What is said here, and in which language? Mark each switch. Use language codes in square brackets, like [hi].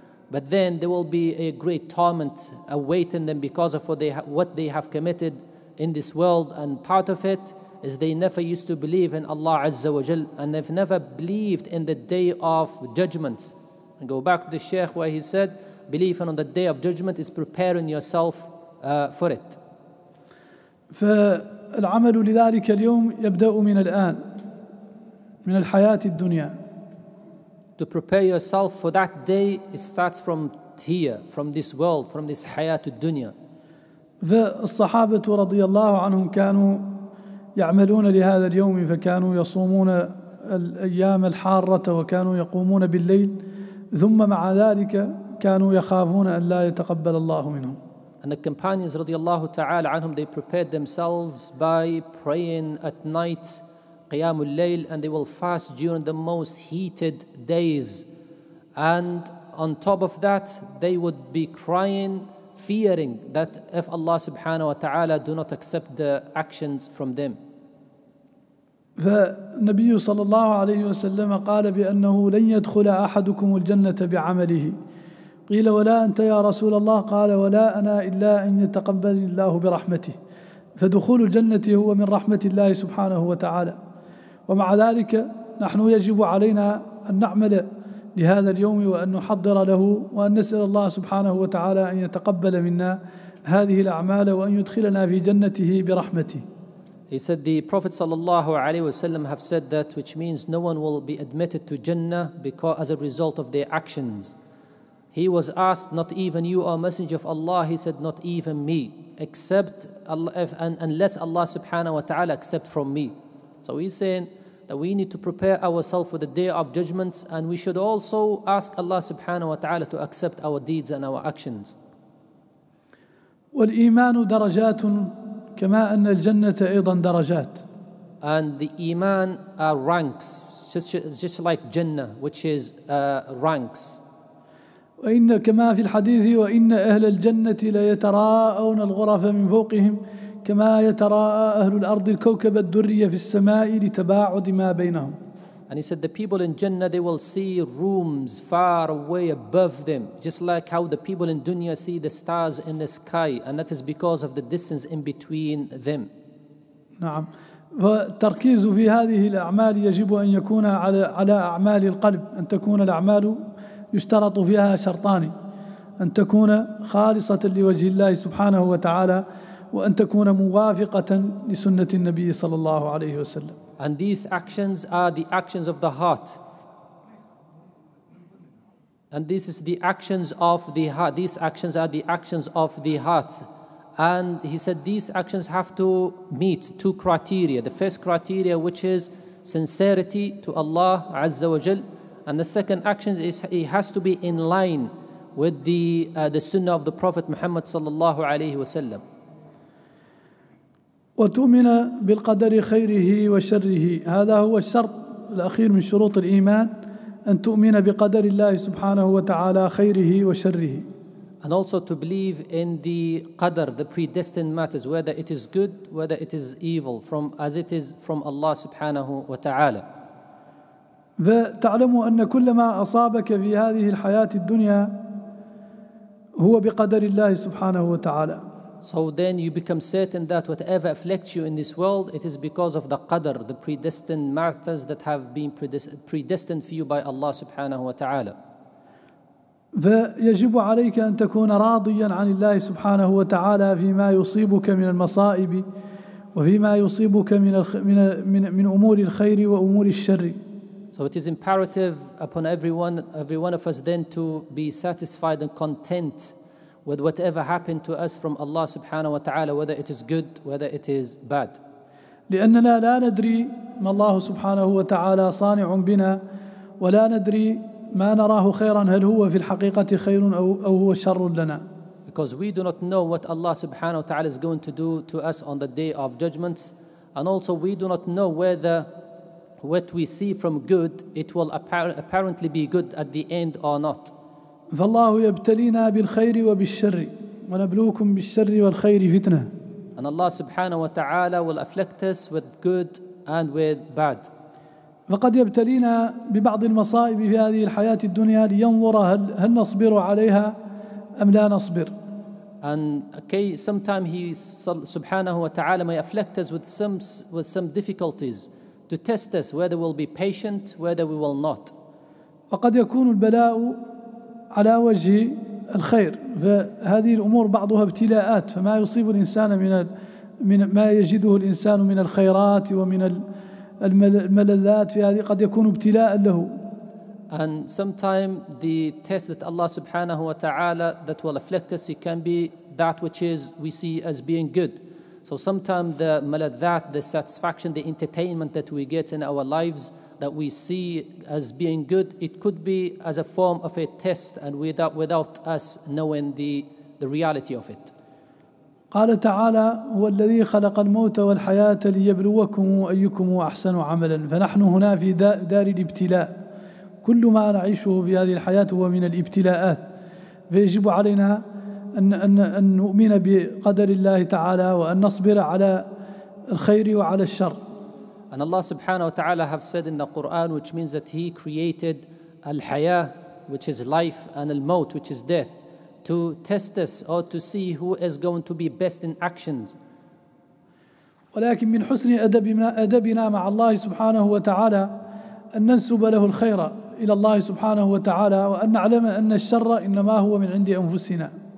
[en] But then there will be a great torment awaiting them because of what they have committed in this world. And part of it is they never used to believe in Allah Azza wa Jal, and they've never believed in the day of judgment. And go back to the Shaykh where he said, belief on the day of judgment is preparing yourself for it. [ar] فالعمل لذلك اليوم يبدأ من الآن من الحياة الدنيا. [en] To prepare yourself for that day, it starts from here, from this world, from this hayat al-dunya. [ar] فالصحابة رضي الله عنهم كانوا يعملون لهذا اليوم، فكانوا يصومون الأيام الحارة وكانوا يقومون بالليل، ثم مع ذلك كانوا يخافون أن لا يتقبل الله منهم. [en] And the companions رضي الله تعالى عنهم, they prepared themselves by praying at night, قيام الليل, and they will fast during the most heated days. And on top of that, they would be crying, fearing that if Allah subhanahu wa ta'ala do not accept the actions from them. [ar] فالنبي صلى الله عليه وسلم قال بأنه لن يدخل أحدكم الجنة بعمله. قيل ولا أنت يا رسول الله؟ قال ولا أنا إلا أن يتقبل الله برحمته. فدخول الجنة هو من رحمة الله سبحانه وتعالى. ومع ذلك نحن يجب علينا أن نعمل لهذا اليوم وأن نحضر له وأن نسأل الله سبحانه وتعالى أن يتقبل منا هذه الأعمال وأن يدخلنا في جنته برحمته. [en] He said the Prophet sallallahu alaihi wasallam have said that, which means no one will be admitted to Jannah because as a result of their actions. He was asked, not even you, O Messenger of Allah. He said, not even me, except Allah, unless Allah subhanahu wa ta'ala accept from me. So he's saying that we need to prepare ourselves for the day of judgment, and we should also ask Allah subhanahu wa ta'ala to accept our deeds and our actions. [ar] وَالْإِيمَانُ دَرَجَاتٌ كَمَا أَنَّ الْجَنَّةَ أَيْضًا دَرَجَاتٌ. [en] And the iman are ranks, just like Jannah, which is ranks. [ar] وَإِنَّ كَمَا فِي الْحَدِيثِ وَإِنَّ أَهْلَ الْجَنَّةِ لَيَتَرَاءَوْنَ الْغُرَفَ مِنْ فَوْقِهِمْ كما يتراءى أهل الأرض الكوكب الدري في السماء لتباعد ما بينهم. [en] And he said the people in Jannah, they will see rooms far away above them, just like how the people in dunya see the stars in the sky, and that is because of the distance in between them. [ar] نعم. والتركيز في هذه الأعمال يجب أن يكون على أعمال القلب. أن تكون الأعمال يشترط فيها شرطان: أن تكون خالصة لوجه الله سبحانه وتعالى، وأن تكون موافقة لسنة النبي صلى الله عليه وسلم. [en] And these actions are the actions of the heart. And this is the actions of the heart. These actions are the actions of the heart. And he said these actions have to meet two criteria. The first criteria, which is sincerity to Allah Azza wa Jal. And the second action is it has to be in line with the sunnah of the Prophet Muhammad صلى الله عليه وسلم. [ar] وتؤمن بالقدر خيره وشره، هذا هو الشرط الأخير من شروط الإيمان، أن تؤمن بقدر الله سبحانه وتعالى خيره وشره. [en] And also to believe in the qadr, the predestined matters, whether it is good, whether it is evil, from as it is from Allah سبحانه وتعالى. [ar] فتعلم أن كل ما أصابك في هذه الحياة الدنيا هو بقدر الله سبحانه وتعالى. [en] So then you become certain that whatever afflicts you in this world, it is because of the qadr, the predestined matters that have been predestined for you by Allah subhanahu wa ta'ala. [ar] فيجب عليك أن تكون راضيا عن الله سبحانه وتعالى فيما يصيبك من المصائب وفيما يصيبك من أمور الخير وأمور الشر. [en] So it is imperative upon every one of us then to be satisfied and content with whatever happened to us from Allah subhanahu wa ta'ala, whether it is good, whether it is bad. [ar] لأننا لا ندري ما الله سبحانه وتعالى صانع بنا، ولا ندري ما نراه خيرا، هل هو في الحقيقة خير أو هو شر لنا. [en] Because we do not know what Allah subhanahu wa ta'ala is going to do to us on the day of judgments, and also we do not know whether what we see from good, it will apparently be good at the end or not. [ar] فالله يبتلينا بالخير وبالشر، ونبلوكم بالشر والخير فتنة. [en] And Allah subhanahu wa ta'ala will afflict us with good and with bad. [ar] فقد يبتلينا ببعض المصائب في هذه الحياة الدنيا لينظر هل نصبر عليها أم لا نصبر. [en] And okay, sometimes he subhanahu wa ta'ala may afflict us with some difficulties to test us whether we'll be patient, whether we will not. [ar] وقد يكون البلاء على وجه الخير، فهذه الأمور بعضها ابتلاءات، فما يصيب الإنسان من ما يجده الإنسان من الخيرات ومن الملذات في هذه قد يكون ابتلاء له. [en] And sometimes the test that Allah subhanahu wa ta'ala that will afflict us, it can be that which is we see as being good. So sometimes the maladhat, the satisfaction, the entertainment that we get in our lives that we see as being good, it could be as a form of a test and without us knowing the reality of it. [ar] قال تعالى هو الذي خلق الموت والحياة ليبلوكم أيكم أحسن عملا. فنحن هنا في دار الابتلاء، كل ما نعيشه في هذه الحياة هو من الابتلاءات، فيجب علينا أن نؤمن بقدر الله تعالى وأن نصبر على الخير وعلى الشر. [en] And Allah subhanahu wa ta'ala have said in the Quran, which means that He created al-haya, which is life, and al-maut, which is death, to test us or to see who is going to be best in actions. [ar] ولكن من حسن أدبنا مع الله سبحانه وتعالى أن ننسب له الخير إلى الله سبحانه وتعالى وأن نعلم أن الشر إنما هو من عند أنفسنا.